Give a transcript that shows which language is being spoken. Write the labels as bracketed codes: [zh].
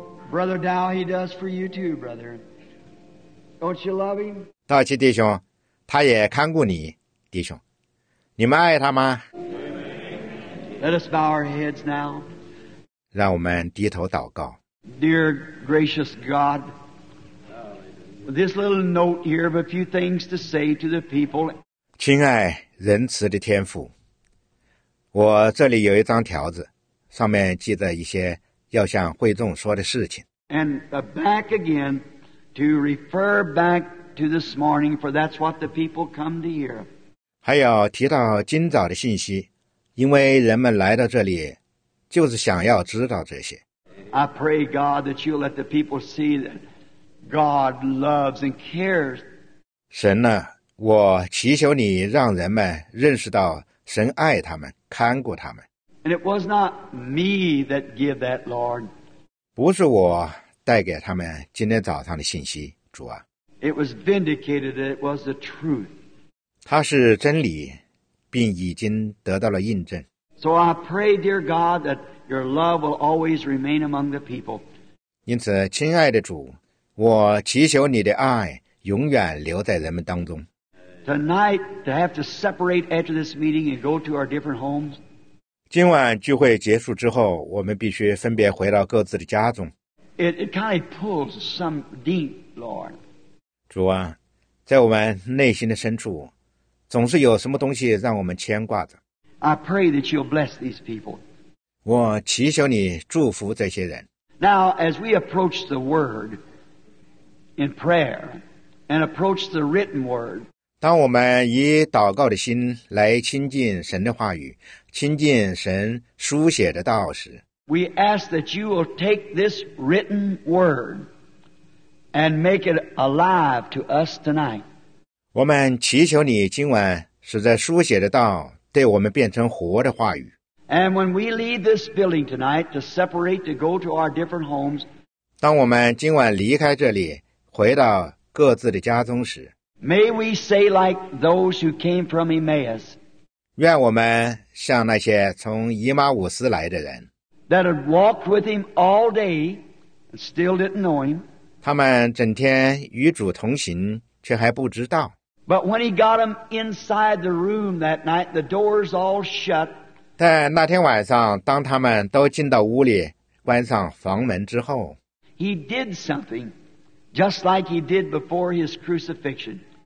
[en] Brother Dow, he does for you too, brother. Don't you love him? [zh] 道奇弟兄，他也看顾你，弟兄，你们爱他吗？ [en] Let us bow our heads now. [zh] 让我们低头祷告。 [en] Dear gracious God, this little note here of a few things to say to the people. [zh] 亲爱仁慈的天父，我这里有一张条子，上面记着一些要向会众说的事情。 [en] And back again to refer back to this morning, for that's what the people come to hear. [zh] 还要提到今早的信息，因为人们来到这里就是想要知道这些。 [en] I pray God that you let the people see that God loves and cares. [zh] 神呢，我祈求你让人们认识到神爱他们，看顾他们。 [en] And it was not me that gave that, Lord. [zh] 不是我带给他们今天早上的信息，主啊。 [en] It was vindicated, it was the truth. [zh] 它是真理，并已经得到了印证。 [en] So I pray, dear God, that your love will always remain among the people. [zh] 因此，亲爱的主，我祈求你的爱永远留在人们当中。 [en] Tonight, to have to separate after this meeting and go to our different homes. [zh] 今晚聚会结束之后，我们必须分别回到各自的家中。 [en] It kind of pulls some deep, Lord. [zh] 主啊，在我们内心的深处，总是有什么东西让我们牵挂着。 [en] I pray that you'll bless these people. [zh] 我祈求你祝福这些人。 [en] Now, as we approach the word in prayer and approach the written word, [zh] 当我们以祷告的心来亲近神的话语，亲近神书写的道时， [en] we ask that you will take this written word and make it alive to us tonight. [zh] 我们祈求你今晚使这书写的道对我们变成活的话语。 [en] And when we leave this building tonight to separate to go to our different homes, [zh] 当我们今晚离开这里，回到各自的家中时， [en] May we say like those who came from Emmaus, [zh] 愿我们像那些从以马忤斯来的人， [en] that had walked with him all day and still didn't know him, [zh] 他们整天与主同行却还不知道。 [en] But when he got them inside the room that night, the doors all shut. [zh] 在那天晚上，当他们都进到屋里，关上房门之后， [en] he did something, just like he did before his crucifixion.